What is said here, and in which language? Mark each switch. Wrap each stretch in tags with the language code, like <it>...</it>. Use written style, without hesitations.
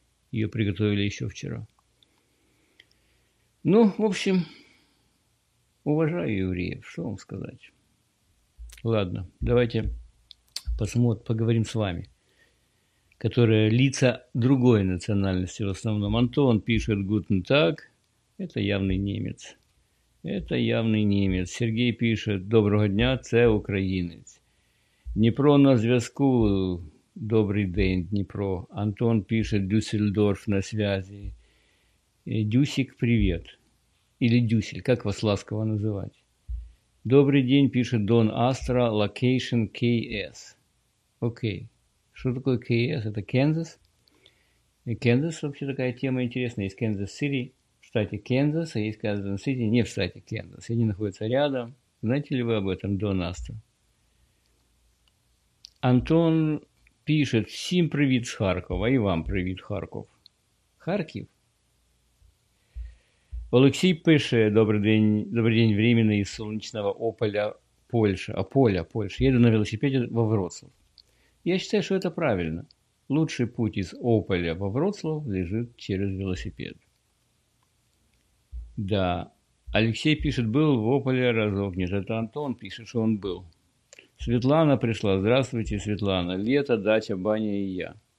<ru>Ее приготовили еще вчера. Ну, в общем, уважаю евреев, что вам сказать? Ладно, давайте посмотрим, поговорим с вами, которые лица другой национальности в основном. Антон пишет: «Гутен так», это явный немец. Это явный немец. Сергей пишет:</ru> <uk>«Доброго дня, це українець». Днепро на зв'язку. Добрий день, Днепро.</uk> <ru>Антон пишет: Дюссельдорф на связи. Дюсик, привет. Или Дюсель, как вас ласково называть. Добрый день, пишет Дон Астра, локейшн КС. Окей. Что такое КС? Это Канзас? Канзас вообще такая тема интересная. Есть Канзас-Сити в штате Канзас, а есть Канзас-Сити не в штате Канзас. Они находятся рядом. Знаете ли вы об этом, Дон Астра? Антон пишет:</ru> <uk>«Всім привіт з Харкова». І вам привіт, Харков. Харків. Олексій пише: добрий день, времени із сонячного Ополя, Польща. Ополя, Польща. Їду на велосипеді во Вроцлав. Я вважаю, що це правильно.</uk> <ru>Лучший путь</ru> <uk>із Ополя во Вроцлав лежить через велосипед.</uk> <ru>Да. Алексей пишет, был в Ополе разок. Нет, это Антон пишет, что он был. Светлана пришла. Здравствуйте, Светлана. Лето, дача, баня и я.</ru>